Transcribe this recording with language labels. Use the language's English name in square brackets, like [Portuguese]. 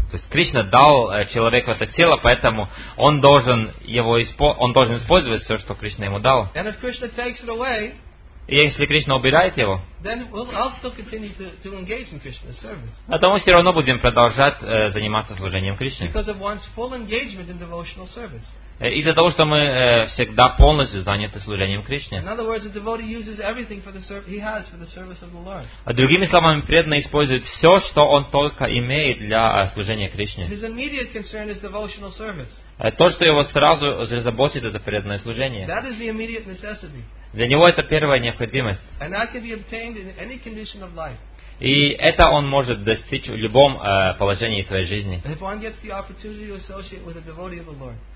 [Russian] Кришна дал человеку это тело, поэтому он должен использовать все, что Кришна ему дал. [English] And if Krishna takes it away, [Russian] и если Кришна убирает его, [English] then we'll still continue to engage in Krishna's service. [Russian] А то мы все равно будем продолжать заниматься служением Кришне. [English] Because of one's full engagement in devotional service. [Russian] Из-за того, что мы всегда полностью заняты служением Кришне. [English] In other words, the devotee uses everything for the he has for the service of the Lord. [Russian] А другими словами, преданный использует все, что он только имеет для служения Кришне. [English] His immediate concern is devotional service. [Russian] То, что его сразу заботит, это преданное служение. [English] That is the immediate necessity. [Russian] Для него это первая необходимость. [English] And that can be obtained in any condition of life. [Russian] И это он может достичь в любом положении своей жизни. [English] If one gets the opportunity to associate with a devotee of the Lord.